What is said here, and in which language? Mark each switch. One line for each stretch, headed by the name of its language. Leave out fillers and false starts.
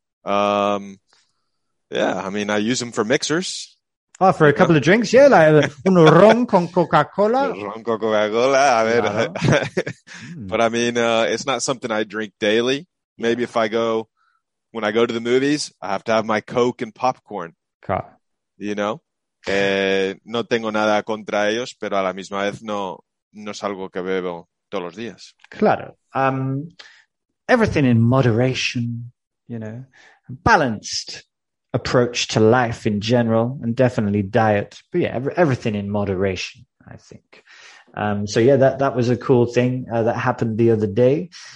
English: Yeah. I mean, I use them for mixers. Oh, for a couple of drinks. Yeah. Like
Spanish: un ron con Coca-Cola. Ron con Coca-Cola. A ver. Claro.
English: But I mean, it's not something I drink daily. Maybe if I go, when I go to the movies, I have to have my Coke and popcorn. Okay. You know?
Spanish: No tengo nada contra ellos, pero a la misma vez no es algo que bebo todos los días. Claro.
English: Everything in moderation, you know, balanced approach to life in general, and definitely diet. But yeah, everything in moderation, I think. So yeah, that was a cool thing that happened the other day.